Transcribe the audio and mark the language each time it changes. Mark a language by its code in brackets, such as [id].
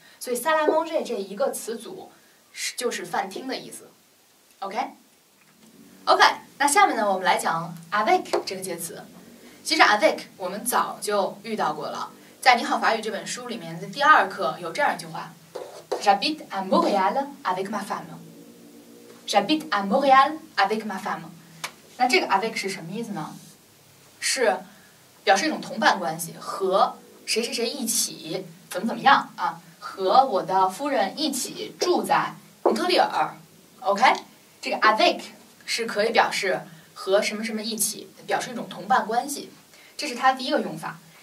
[zh] 所以 salle à manger 这一个词组。就是饭厅的意思 ，OK，OK。 Okay, 那下面呢，我们来讲 avec 这个介词。其实 avec 我们早就遇到过了，在《你好法语》这本书里面的第二课有这样一句话 ： [fr] J'habite à Montréal avec ma femme。 J'habite à Montréal avec ma femme。 [zh] 那这个 avec 是什么意思呢？是表示一种同伴关系，和谁谁谁一起怎么怎么样啊？和我的夫人一起住在蒙特利尔 ，OK， 这个 avec 是可以表示和什么什么一起，表示一种同伴关系，这是它第一个用法。